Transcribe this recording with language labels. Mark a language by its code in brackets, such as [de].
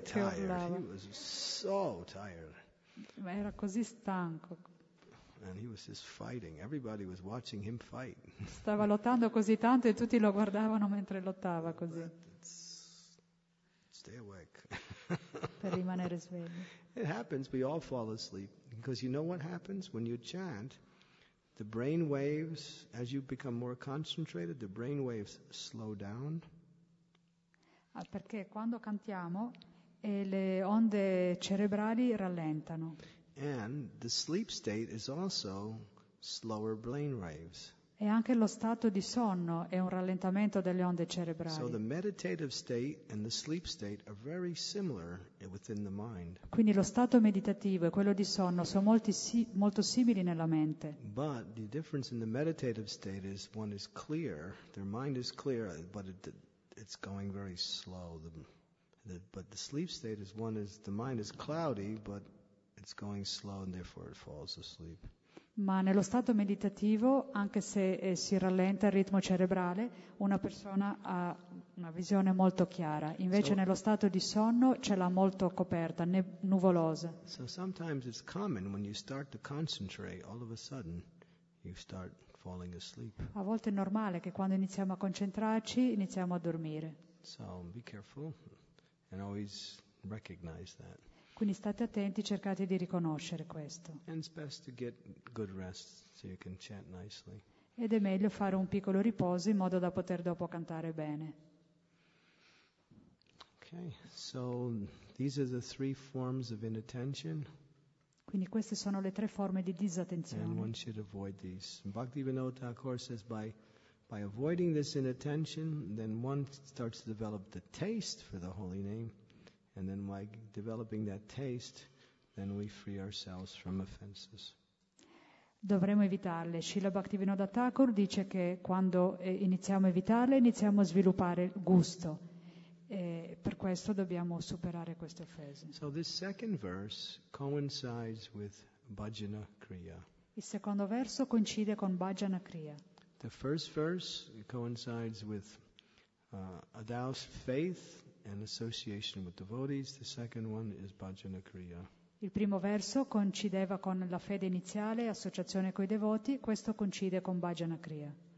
[it] che urlava. [en] He was so tired. [it] Ma era così stanco. [en] And he was just fighting. Everybody was watching him fight. [it] Stava lottando così tanto e tutti lo guardavano mentre lottava così. [en] Stay awake. [it] Per rimanere svegli. [en] It happens. We all fall asleep because you know what happens when you chant. The brain waves, as you become more concentrated, the brain waves slow down. [it] Ah, perché quando cantiamo e le onde cerebrali rallentano. [en] And the sleep state is also slower brain waves. [it] E anche lo stato di sonno è un rallentamento delle onde cerebrali. [en] So the meditative state and the sleep state are very similar within the mind. [it] Quindi lo stato meditativo e quello di sonno sono molto simili nella mente. [en] But the difference in the meditative state is one is clear, their mind is clear, but it's going very slow. But the sleep state is one is the mind is cloudy, but it's going slow and therefore it falls asleep. [it] Ma nello stato meditativo, anche se si rallenta il ritmo cerebrale, una persona ha una visione molto chiara. Invece nello stato di sonno ce l'ha molto coperta, nuvolosa. [en] So sometimes it's common when you start to concentrate, all of a sudden you start falling asleep. [it] A volte è normale che quando iniziamo a concentrarci iniziamo a dormire. [en] So be careful and always recognize that. [it] Quindi state attenti, cercate di riconoscere questo. [en] And it's best to get good rest so you can chant nicely. [it] Ed è meglio fare un piccolo riposo in modo da poter dopo cantare bene. [en] Ok. Okay, so these are the three forms of inattention. [it] Quindi queste sono le tre forme di disattenzione. [en] And one should avoid these. Bhaktivinoda Thakur says by avoiding this inattention, then one starts to develop the taste for the holy name, and then by developing that taste, then we free ourselves from offenses. [it] Dovremmo evitarle. Srila Bhaktivinoda Thakur dice che quando iniziamo a evitarle, iniziamo a sviluppare gusto. E per questo dobbiamo superare queste offese. [en] So this second verse coincides with Bhajana Kriya. [it] Il secondo verso coincide con Bhajana Kriya. [en] The first verse coincides with Adao's faith and association with devotees. The second one is Bhajana Kriya. [it] Il primo verso coincideva con la fede iniziale, associazione coi devoti, questo coincide con Bhajana Kriya.